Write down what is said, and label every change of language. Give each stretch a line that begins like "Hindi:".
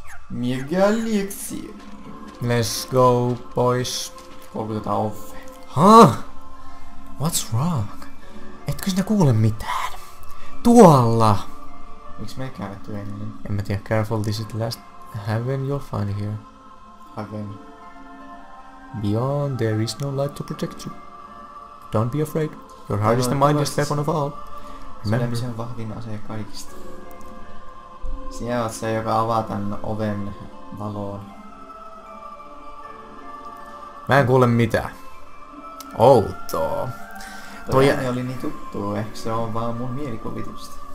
Finnish: Mega eliksiiri.
English: Let's go, boys.
Finnish: Koukutetaan Offe.
English: Huh? What's wrong?
Finnish: Etkö sinä kuule mitään? Tuolla! Miks me ei käännetty ennen? En mä tiedä.
English: Careful, this is the last heaven you'll find here. Heaven. Beyond, there is no light to protect you. Don't be afraid. Your heart is the mightiest weapon of all. Remember.
Finnish: Sinä on vahvin ase kaikista. Sinä olet se, joka avaa tän oven valoon. Mä en kuule mitään. Outoa. Toi ääni oli niin tuttu, ehkä se on vaan mun mielikuvitusta.